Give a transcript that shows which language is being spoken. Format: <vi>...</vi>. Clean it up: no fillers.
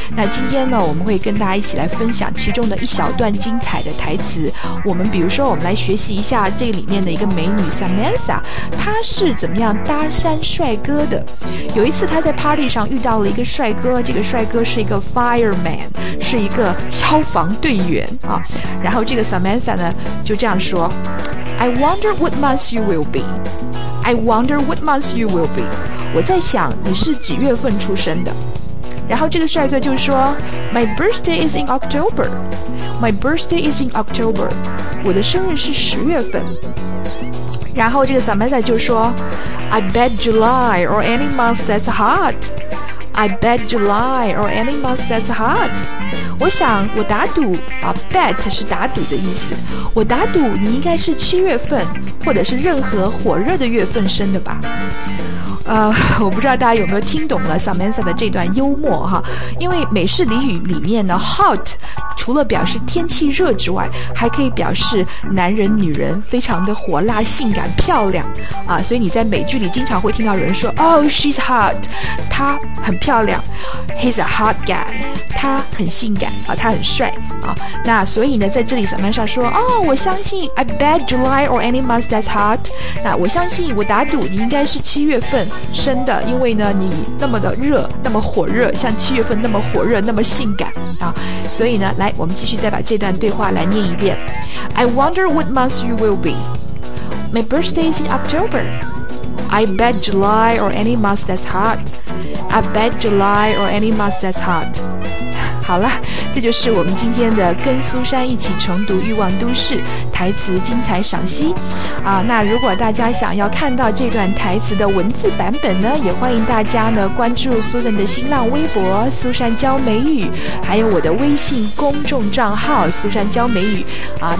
<zh>那今天呢，我们会跟大家一起来分享其中的一小段精彩的台词。我们比如说，我们来学习一下这里面的一个美女 Samantha， 她是怎么样搭讪帅哥的。有一次她在 party 上遇到了一个帅哥，这个帅哥是一个 fireman， 是一个消防队员啊。然后这个 Samantha 呢就这样说，</zh> <en>I wonder what month you will be. I wonder what month you will be.</en> <zh>我在想你是几月份出生的。然后这个帅哥就说，</zh> <en>My birthday is in October. My birthday is in October.</en> <zh>我的生日是十月份。然后这个 Samantha 就说，</zh> <en>I bet July or any month that's hot. I bet July or any month that's hot.</en> <zh>我想我打赌啊， bet 是打赌的意思，我打赌你应该是七月份或者是任何火热的月份生的吧。我不知道大家有没有听懂了 Samantha 的这段幽默哈，因为美式俚语里面呢 hot 除了表示天气热之外，还可以表示男人女人非常的火辣、性感、漂亮啊，所以你在美剧里经常会听到人说</zh> <en>Oh, she's hot，</en> <zh>她很漂亮，</zh> <en>He's a hot guy，</en> <zh>她很性感啊，她很帅啊。那所以呢，在这里 Samantha 说，哦，我相信</zh> <en>I bet July or any month that's hot，</en> <zh>那我相信，我打赌你应该是七月份生的，因为呢你那么的热，那么火热，像七月份那么火热，那么性感啊。所以呢，来，我们继续再把这段对话来念一遍。</zh> <en>I wonder what month you will be. My birthday is in October. I bet July or any month that's hot. I bet July or any month that's hot.</en> <zh>好了，这就是我们今天的跟苏珊一起重读欲望都市，台词精彩赏析啊。那如果大家想要看到这段台词的文字版本呢，也欢迎大家呢关注苏珊的新浪微博苏珊教美语，还有我的微信公众账号苏珊教美语啊。</zh>